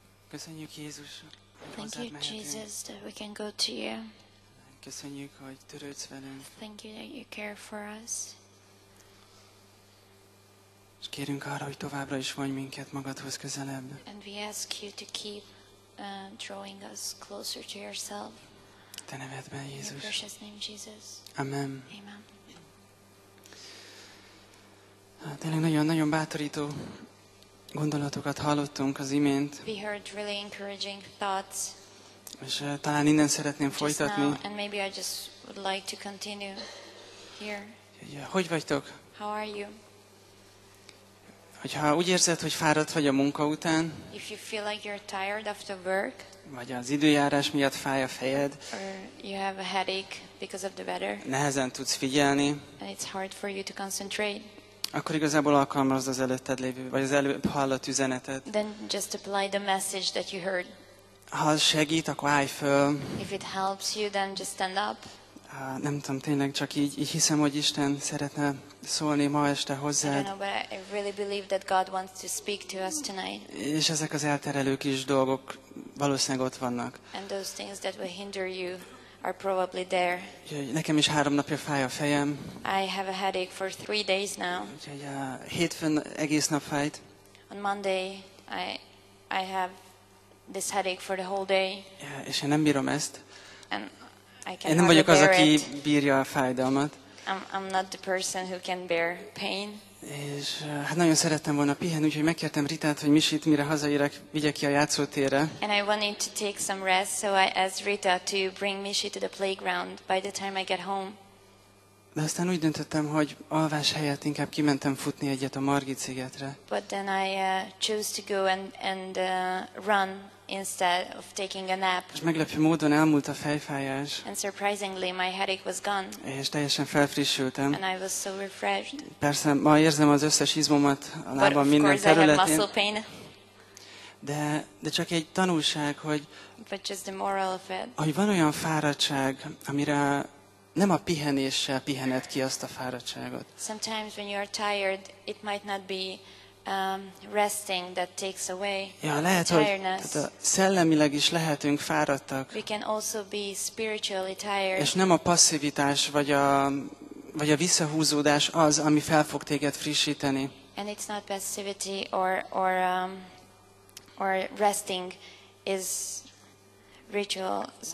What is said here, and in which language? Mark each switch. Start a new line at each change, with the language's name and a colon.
Hungarian: Köszönjük Jézus.
English: Thank you, Jesus, that we can go to you.
Hungarian: Köszönjük, hogy törődsz velünk.
English: Thank you that you care for us.
Hungarian: És kérünk arra, hogy továbbra is vonj minket magadhoz közelebb.
English: And we ask you to keep drawing us closer to yourself.
Hungarian: Te nevedben, Jézus.
English: In your precious name, Jesus.
Hungarian: Amen.
English: Amen.
Hungarian: Tényleg nagyon-nagyon bátorító gondolatokat hallottunk az imént.
English: We heard really encouraging thoughts.
Hungarian: És talán innen szeretném folytatni.
English: Just now, and maybe I just would like to continue here.
Hungarian: Hogy vagytok?
English: How are you?
Hungarian: Hogyha úgy érzed, hogy fáradt vagy a munka után,
English: if you feel like you're tired after work,
Hungarian: vagy az időjárás miatt fáj a fejed,
English: or you have a headache because of the weather,
Hungarian: nehezen tudsz figyelni,
English: and it's hard for you to concentrate,
Hungarian: akkor igazából alkalmazd az előtted lévő, vagy az előbb hallott üzenetet.
English: Then just apply the message that you heard.
Hungarian: Ha segít, akkor állj föl.
English: If it helps you, then just stand up.
Hungarian: Nem tudom, tényleg csak így hiszem, hogy Isten szeretne szólni ma este hozzád.
English: I don't know, but I really believe that God wants to speak to us tonight.
Hungarian: És ezek az elterelő kis dolgok valószínűleg ott vannak.
English: And those things that will hinder you are probably there.
Hungarian: Nekem is 3 napja fáj a fejem.
English: I have a headache for 3 days now.
Hungarian: Hétfőn egész nap fájt.
English: On Monday I have this headache for the whole day.
Hungarian: És én nem bírom ezt.
English: And I can't.
Hungarian: Én nem vagyok az, aki bírja a fájdalmat.
English: I'm not the person who can bear pain.
Hungarian: És hát nagyon szerettem volna pihenni, úgyhogy megkértem Ritát, hogy Misit, mire hazaérek, vigye ki a játszótérre.
English: And I wanted to take some rest, so I asked Rita to bring Misi to the playground by the time I get home.
Hungarian: De aztán úgy döntöttem, hogy alvás helyett inkább kimentem futni egyet a Margit szigetre.
English: But then I chose to go and run instead of taking a nap.
Hungarian: És meglepő módon elmúlt a fejfájás.
English: And surprisingly my headache was gone.
Hungarian: És teljesen felfrissültem.
English: And I was so refreshed.
Hungarian: Persze, ma érzem az összes izmomat a lábam minden területén.
English: But of course I have
Hungarian: De csak egy tanulság, hogy
English: but just the moral of it.
Hungarian: Hogy van olyan fáradtság, amire nem a pihenéssel pihened ki azt a fáradtságot.
English: Sometimes when you are tired, it might not be resting that takes away.
Hungarian: Ja, lehet,
English: tiredness.
Hungarian: Hogy szellemileg is lehetünk fáradtak.
English: We can also be spiritually tired.
Hungarian: És nem a passzivitás vagy a visszahúzódás az, ami fel fog téged frissíteni.
English: And it's not passivity or resting is ritual.